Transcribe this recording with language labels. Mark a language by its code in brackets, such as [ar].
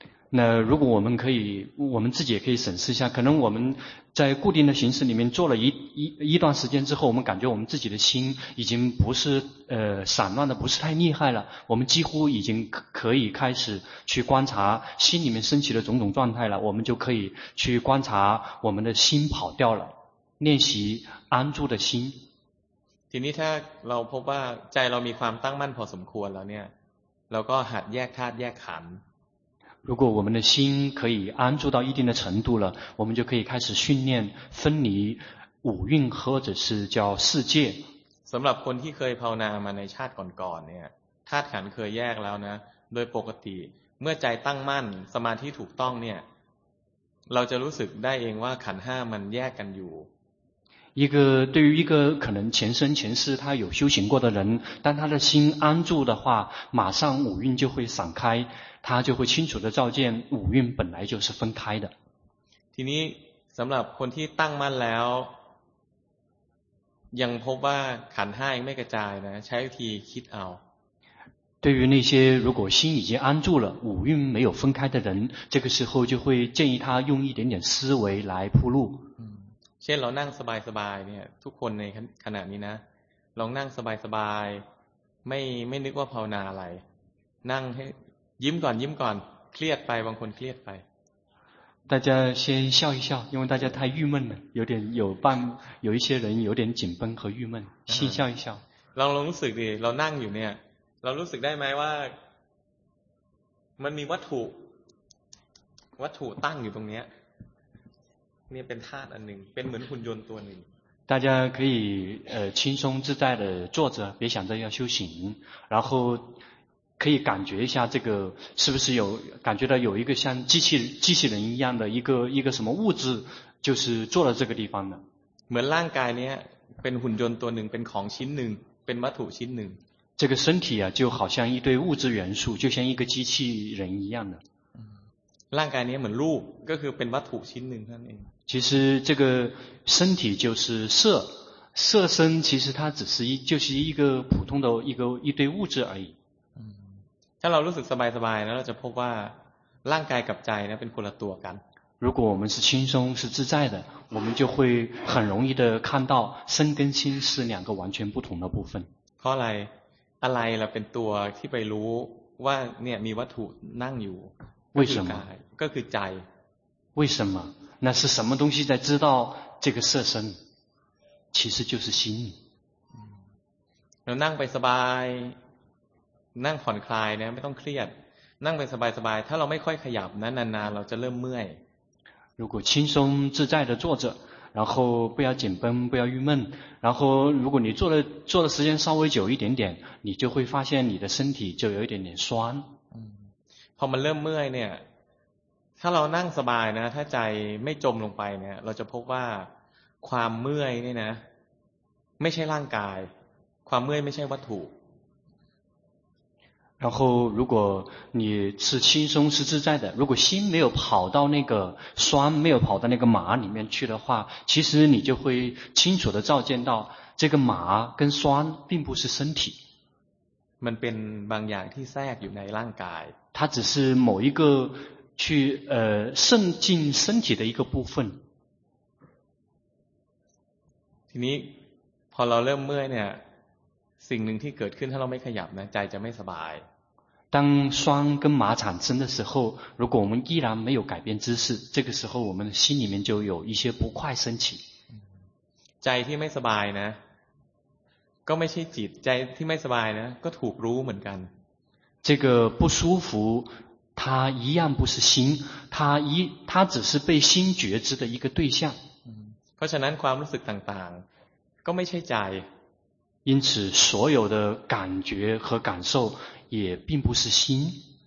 [zh] 那如果我们可以我们自己也可以审视一下可能我们在固定的形式里面做了一段时间之后我们感觉我们自己的心已经不是散乱的不是太厉害了我们几乎已经可以开始去观察心里面升起的种种状态了我们就可以去观察我们的心跑掉了练习安住的心 [th] ทีนี้ถ้าเราพบว่าใจเรามีความตั้งมั่นพอสมควรแล้วเนี่ยเราก็หัดแยกธาตุแยกขันธ์ [zh] 如果我们的心可以安住到一定的程度了我们就可以开始训练分离五蕴或者是叫世界 [th] สำหรับคนที่เคยภาวนามาในชาติก่อนๆเนี่ยธาตุขันธ์เคยแยกแล้วนะโดยปกติเมื่อใจตั้งมั่นสมาธิถูกต้องเนี่ยเราจะรู้สึกได้เองว่าขันธ์ห้ามันแยกกันอยู่ [zh] 一个对于一个可能前生前世他有修行过的人当他的心安住的话马上五蕴就会散开他就会清楚地照见五蕴本来就是分开的 [th] ทีนี้สำหรับคนที่ตั้งมั่นแล้วยังพบว่าขันธ์ห้ายังไม่กระจายนะใช้วิธีคิดเอา [zh] 对于那些如果心已经安住了五蕴没有分开的人，这个时候就会建议他用一点点思维来铺路。 [th] เช่นเรานั่งสบายสบายเนี่ยทุกคนในขณะนี้นะลองนั่งสบายสบายไม่นึกว่าภาวนาอะไรนั่งให้ยิ้มก่อนยิ้มก่อนเครียดไปบางคนเครียดไป [zh] 大家先笑一笑，因为大家太郁闷了，有点有半有一些人有点紧绷和郁闷，先笑一笑。 [th] ลองรู้สึกดิเรานั่งอยู่เนี่ยเรารู้สึกได้ไหมว่ามันมีวัตถุตั้งอยู่ตรงเนี้ยเนี่ยเป็นธาตุอันหนึ่งเป็นเหมือนหุ่นยนต์ตัวหนึ่ง [zh] 大家可以轻松自在的坐着，别想着要修行，然后可以感觉一下这个是不是有感觉到有一个像机器人一样的一个什么物质，就是坐了这个地方的。 [th] เหมือนร่างกายเนี้ยเป็นหุ่นยนต์ตัวหนึ่งเป็นของชิ้นหนึ่งเป็นวัตถุชิ้นหนึ่ง [zh] 这个身体啊，就好像一堆物质元素，就像一个机器人一样的。 [th] ร่างกายนี้เหมือนรูปก็คือเป็นวัตถุชิ้นหนึ่งนั่นเอง。 [zh] 其实这个身体就是色，色身其实它只是就是一个普通的一堆物质而已。 [th] ถ้าเรารู้สึกสบายสบายแล้วเราจะพบว่าร่างกายกับใจนี่เป็นคนละตัวกัน。 [zh] 如果我们是轻松是自在的，我们就会很容易的看到身跟心是两个完全不同的部分。 [th] เพราะอะไรอะไรล่ะเป็นตัวที่ไปรู้ว่าเนี่ยมีวัตถุนั่งอยู่ [zh] 为什么 [th] ก็คือใจ [zh] 为什么那是什么东西在知道这个色身其实就是心 [th] เรานั่งไปสบายนั่งผ่อนคลายนะไม่ต้องเครียดนั่งไปสบายสบายถ้าเราไม่ค่อยขยับนั้นนานๆเราจะเริ่มเมื่อย [zh] 如果轻松自在的坐着然后不要紧绷不要郁闷然后如果你坐的时间稍微久一点点你就会发现你的身体就有一点点酸 [th] พอมันเริ่มเมื่อยเนี่ยถ้าเรานั่งสบายนะถ้าใจไม่จมลงไปเนี่ยเราจะพบว่าความเมื่อยนี่นะไม่ใช่ร่างกายความเมื่อยไม่ใช่วัตถุ [zh] 然后如果你是轻松是自在的如果心没有跑到那个酸没有跑到那个麻里面去的话其实你就会清楚地照见到这个麻跟酸并不是身体 [th] มันเป็นบางอย่างที่แทรกอยู่ในร่างกาย [zh] 它只是某一个去渗进身体的一个部分 [th] ทีนี้พอเราเริ่มเมื่อยเนี่ยสิ่งหนึ่งที่เกิดขึ้นถ้าเราไม่ขยับนะใจจะไม่สบาย [zh] 当酸跟麻产生的时候如果我们依然没有改变姿势这个时候我们心里面就有一些不快升起 [th] ใจที่ไม่สบายนะก็ไม่ใช่จิตใจที่ไม่สบายนะก็ถูกรู้เหมือนกัน [zh] 这个不舒服它一样不是心它只是被心觉知的一个对象 [th] เพราะฉะนั้นความรู้สึกต่างๆก็ไม่ใช่ใจ [zh] 因此所有的感觉和感受也并不是心